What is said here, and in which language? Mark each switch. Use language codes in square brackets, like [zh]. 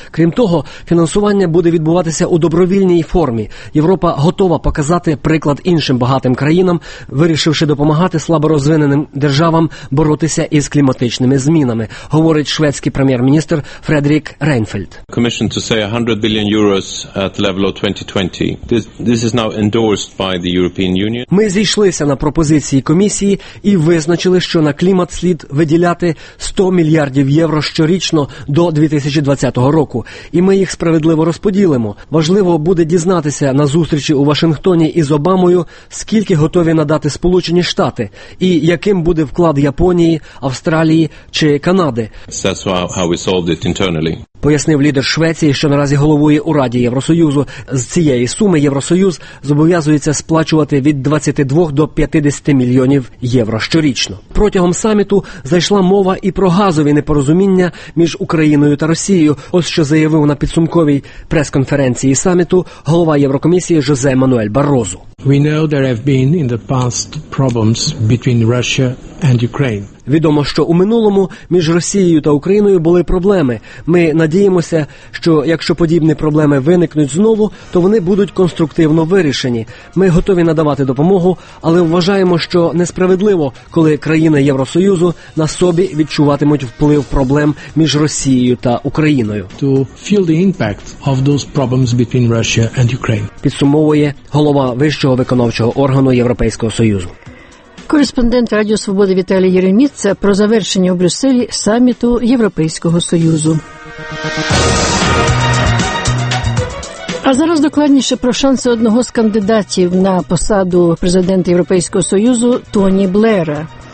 [uk] Крім того, фінансування буде відбуватися у добровільній формі. Європа готова показати приклад іншим багатим країнам, вирішивши допомагати слаборозвиненим державам боротися із кліматичними змінами, говорить шведський прем'єр-міністр Фредерік Рейнфельд. [en] Commission to say 100 billion euros at the level of 2020. This is now endorsed by the European Union. [uk] Ми зійшлися на пропозиції комісії і визначили, що на клімат слід виділяти 100 мільярдів євро щорічно до 2020 року. І ми їх справедливо розподілимо. Важливо буде дізнатися на зустрічі у Вашингтоні із Обамою, скільки готові надати Сполучені Штати і яким буде вклад Японії, Австралії чи Канади. [en] That's how we solved it internally. [uk] Пояснив лідер Швеції, що наразі головує у Раді Євросоюзу. З цієї суми Євросоюз зобов'язується сплачувати від 22 до 50 мільйонів євро щорічно. Протягом саміту зайшла мова і про газові непорозуміння між Україною та Росією. Ось що заявив на підсумковій прес-конференції саміту голова Єврокомісії Жозе Мануель Баррозу. [en] We know there have been in the past problems between Russia and Ukraine. [uk] Відомо, що у минулому між Росією та Україною були проблеми. Ми надіємося, що якщо подібні проблеми виникнуть знову, то вони будуть конструктивно вирішені. Ми готові надавати допомогу, але вважаємо, що несправедливо, коли країни Євросоюзу на собі відчуватимуть вплив проблем між Росією та Україною. [en] To feel the impact of those problems between Russia and Ukraine. [uk] Підсумовує голова вищого виконавчого органу Європейського Союзу. Кореспондент Радіо Свободи Віталій Єреміця про завершення у Брюсселі саміту Європейського Союзу. А зараз докладніше про шанси одного з кандидатів на посаду президента Європейського Союзу Тоні Блера.